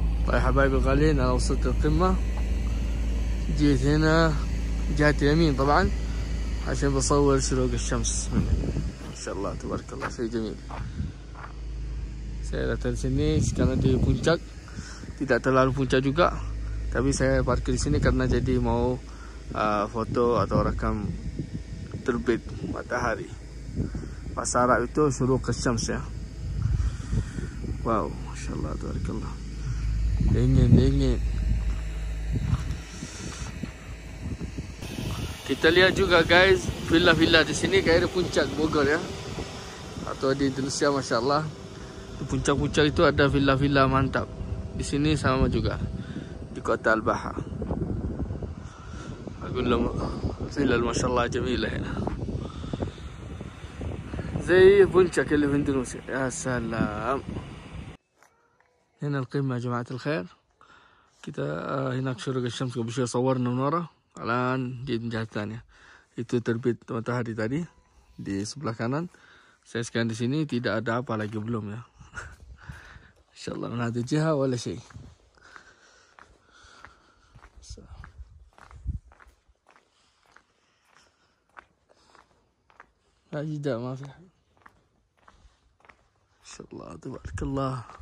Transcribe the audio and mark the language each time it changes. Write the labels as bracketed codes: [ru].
[ar] حبايبي الغالين، انا وصلت القمة، جيت هنا جهة اليمين طبعا عشان بصور شروق الشمس. ما شاء الله تبارك الله، شيء جميل. [id] Saya datang sini karena di puncak، tidak terlalu puncak juga، tapi saya parkir sini karena jadi mau foto atau rekam terbit matahari. Pas arah itu [ar] شروق الشمس [id] ya. [ar] Wow، ما شاء الله تبارك الله. [id] Dingin, dingin. Kita lihat juga guys, villa-villa di sini kayak di puncak Bogor ya, atau di Indonesia. Masya Allah, di puncak-puncak itu ada villa-villa mantap. Di sini sama juga di kota Al-Baha. Aku bilang villa masya Allah jemilah ya. Zai puncak yang di Indonesia. Ya salam. [ar] هنا القمة يا جماعة الخير. كده هناك شروق الشمس قبل شوية صورنا من ورا، الآن جيت من جهة ثانية. [id] itu terbit matahari tadi di sebelah kanan. saya sekarang di sini tidak ada apa lagi belum ya. [ar] insyaallah من هذه الجهة ولا شيء. لا جدا ما في. insyaallah تبارك الله.